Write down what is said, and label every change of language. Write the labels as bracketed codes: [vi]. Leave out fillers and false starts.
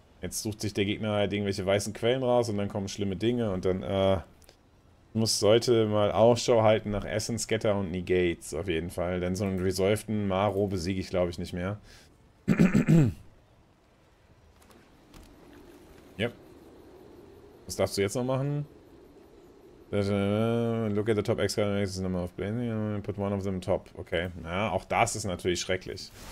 [de] Jetzt sucht sich der Gegner halt irgendwelche weißen Quellen raus und dann kommen schlimme Dinge und dann, sollte mal Ausschau halten nach Essence Scatter und Negates, auf jeden Fall. Denn so einen resolvten Maro besiege ich, glaube ich, nicht mehr. Was darfst du jetzt noch machen? [en] Look at the top X-Card and X number of Blazing. Put one of them top. Okay. [de] Na, auch das ist natürlich schrecklich.